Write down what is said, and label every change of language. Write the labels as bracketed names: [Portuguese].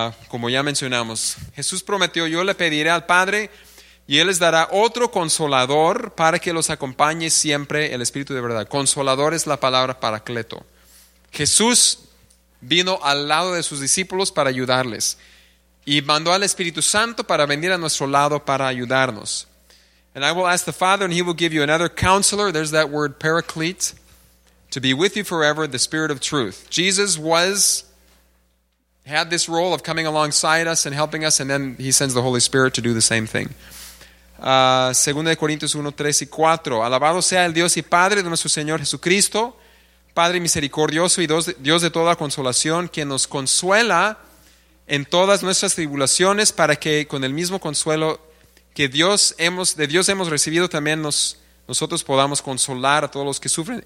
[Spanish] Como ya mencionamos, Jesús prometió, yo le pediré al Padre, y Él les dará otro consolador para que los acompañe siempre el Espíritu de verdad. Consolador es la palabra paracleto. Jesús vino al lado de sus discípulos para ayudarles. Y mandó al Espíritu Santo para venir a nuestro lado para ayudarnos. [English] And I will ask the Father, and he will give you another counselor. There's that word, paraclete, to be with you forever, the Spirit of Truth. Jesus had this role of coming alongside us and helping us, and then he sends the Holy Spirit to do the same thing. [Spanish] 2 Corintios 1, 3 y 4. Alabado sea el Dios y Padre de nuestro Señor Jesucristo, Padre misericordioso y Dios de toda consolación, quien nos consuela en todas nuestras tribulaciones, para que con el mismo consuelo que de Dios hemos recibido, también nosotros podamos consolar a todos los que sufren.